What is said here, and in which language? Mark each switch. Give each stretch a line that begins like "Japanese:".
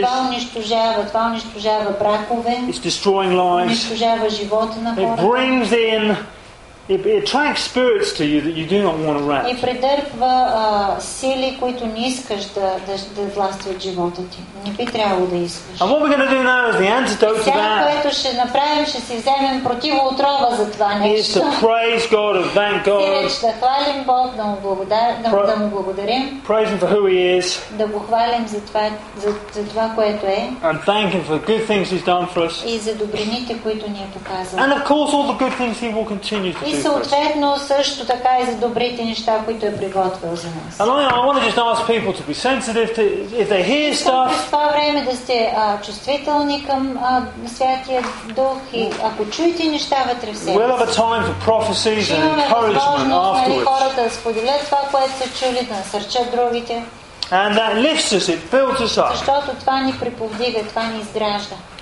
Bulgarian: Но това унищожава бракове.
English: It's destroying lives.
Bulgarian: Унищожава живота на хората.
English: It brings in, it attracts spirits to you that you do not want to wrap.
Bulgarian: И придърпва сили, които не искаш да властват живота ти. Не би трябвало да искаш.
English: And what we're going to do now is the antidote to that.
Bulgarian: Сега, което ще направим, ще си вземем противоотрова за това нещо.
English: Is to praise God and thank God.
Bulgarian: И да хвалим Бог, да му благодарим.
English: Praise Him for who He is.
Bulgarian: Да го хвалим за това, което е.
English: And thank Him for the good things He's done for us.
Bulgarian: И за добрините, които ни е показал.
English: And of course, all the good things He will continue to.
Bulgarian: И съответно също така и за добрите неща, които е приготвил за нас.
English: I want to just ask people to be sensitive to if they hear stuff.
Bulgarian: В това време да сте чувствителни към Святия Дух и ако чуете неща вътре в себе си.
English: We'll have a time for prophecies and encouragement afterwards.
Bulgarian: Хората да споделят това, което са чули, да насърчат другите.
English: And that lifts us, it builds us up.
Bulgarian: Защото това ни приповдига, това ни изгражда.